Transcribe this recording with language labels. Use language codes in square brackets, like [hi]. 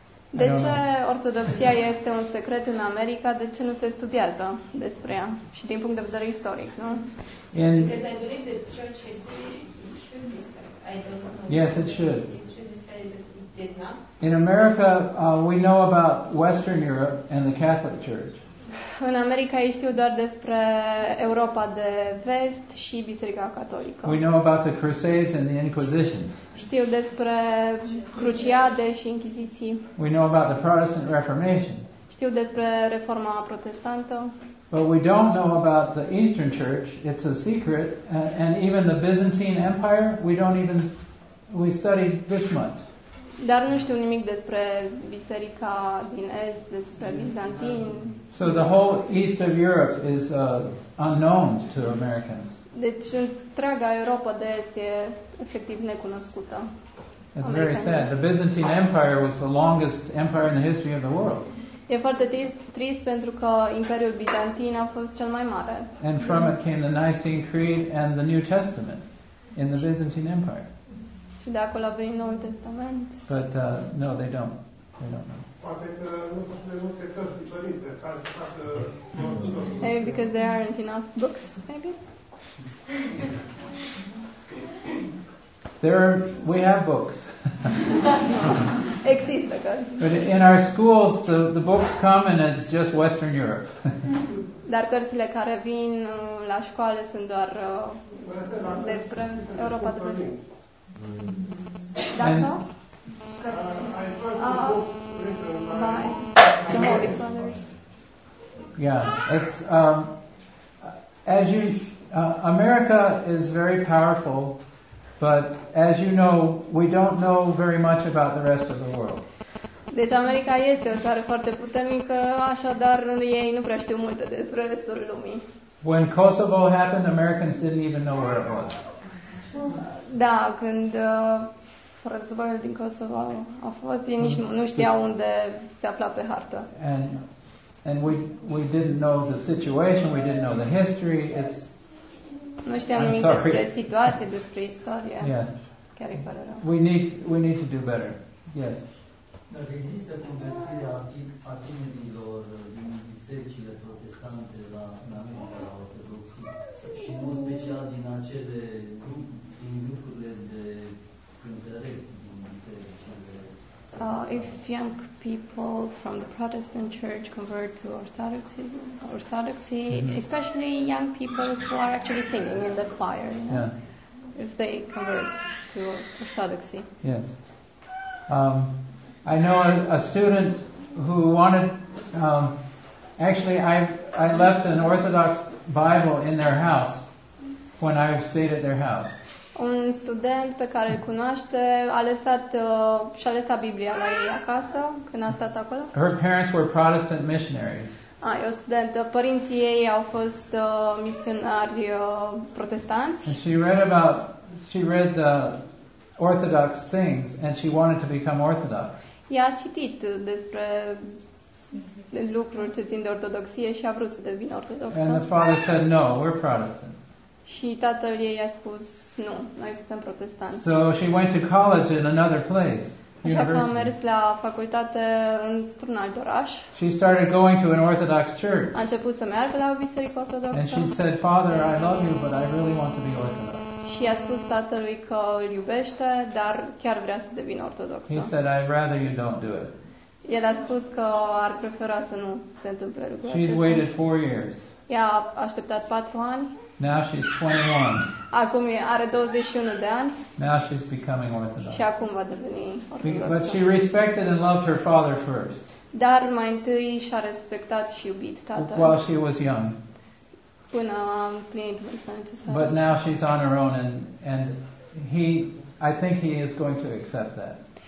[ro] De ce ortodoxia este un secret în America? De ce nu se studiază despre ea? Și din punct de vedere istoric, nu? [en] Because I believe that church history, it should be studied. I don't know. Yes, it should. It should be studied, but it is not. In America, we know about Western Europe and the Catholic Church. [ro] În America ei știu doar despre Europa de vest și Biserica Catolică. [en] We know about the Crusades and the Inquisition. [ro] Știu despre cruciade și inchiziții. [en] We know about the Protestant Reformation. [ro] Știu despre Reforma Protestantă. [en] But we don't know about the Eastern Church. It's a secret. And even the Byzantine Empire, we studied this much. [ro] Dar nu știu nimic despre biserica din Est, despre Bizantin. [en] So the whole east of Europe is unknown to Americans. [ro] Deci întreaga Europa de Est e efectiv necunoscută. [en] It's very sad. The Byzantine Empire was the longest empire in the history of the world. [ro] E foarte trist pentru că Imperiul Bizantin a fost cel mai mare. [en] And from it came the Nicene Creed and the New Testament in the Byzantine Empire. [ro] Și de acolo avem Noul Testament. [en] But no, they don't. They don't know. [ro] Poate că nu sunt de multe cărți diferite ca să facă orice. [en] Maybe because there aren't enough books, maybe. We have books. [ro] Există cărți. [en] But in our schools, the books come and it's just Western Europe. [ro] Dar cărțile care vin la școală sunt doar despre Europa de Vest. [en] America is very powerful, but as you know, we don't know very much about the rest of the world. [ro] Deci America este o țară foarte puternică, așadar ei nu prea știu multe despre restul lumii. [en] When Kosovo happened, Americans didn't even know where it was. [ro] Da, când războiul din Kosovo a fost, ei nici nu știau unde se afla pe hartă. [en] And we didn't know the situation, we didn't know the history. It's [ro] nu știam nimic despre situație, despre istorie. [en] Yeah. [ro] Chiar e fără rău. [en] We need to do better. Yes. [ro] Dacă există convertirea a tinerilor din bisericile protestante la America la Ortodoxie și în mod special din acele grup [en] If young people from the Protestant Church convert to Orthodoxy, mm-hmm. especially young people who are actually singing in the choir, you know, yeah. if they convert to Orthodoxy. Yes. I know a student who wanted, I left an Orthodox Bible in their house when I stayed at their house. [ro] Un student pe care îl cunoaște și-a lăsat Biblia la ei acasă când a stat acolo. [en] Her parents were Protestant missionaries. [ro] E o studentă. Părinții ei au fost misionari protestanți. [en] And she read Orthodox things and she wanted to become Orthodox. [ro] Ea a citit despre lucruri ce țin de ortodoxie și a vrut să devină ortodoxă. [en] And the father said, no, we're Protestant. [ro] Și tatăl ei a spus, nu, noi suntem protestanți. [en] So she went to college in another place. [ro] Așa că a mers la facultate într-un alt oraș. [en] She started going to an Orthodox church. [ro] A început să meargă la o biserică ortodoxă. [en] And she said, Father, I love you, but I really want to be Orthodox. [ro] Și a spus tatălui că îl iubește, dar chiar vrea să devină ortodoxă. [en] He said, I'd rather you don't do it. [ro] El a spus că ar prefera să nu se întâmple lucrul acesta. [en] She's waited 4 years. [ro] Ea a așteptat 4 ani. [en] Now she's 21. [ro] Acum are 21 de ani. [en] Now she's becoming Orthodox. [ro] Și acum va deveni Orthodox. [en] But she respected and loved her father first. [ro] Dar mai întâi și-a respectat și iubit tatăl. [en] While she was young. [ro] Până a împlinit vârsta necesară. [en] But now she's on her own and I think he is going to accept that.